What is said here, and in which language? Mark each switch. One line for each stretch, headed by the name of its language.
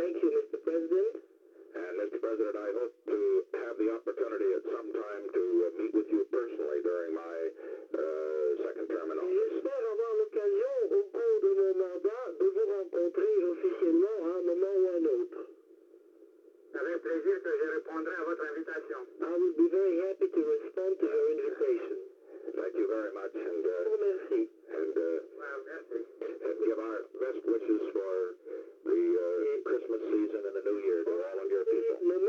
English: President, I hope to have the opportunity at some time to meet with you personally during my second term in office.
French: J'espère avoir l'occasion au cours de mon mandat de vous rencontrer officiellement à un moment ou un autre. Avec plaisir que je répondrai à votre invitation.
English: I would be very happy to respond to your invitation. Thank you very much. And,
French: oh, merci.
English: And,
French: merci.
English: Give our best wishes for the Christmas season and the New Year to all of your people.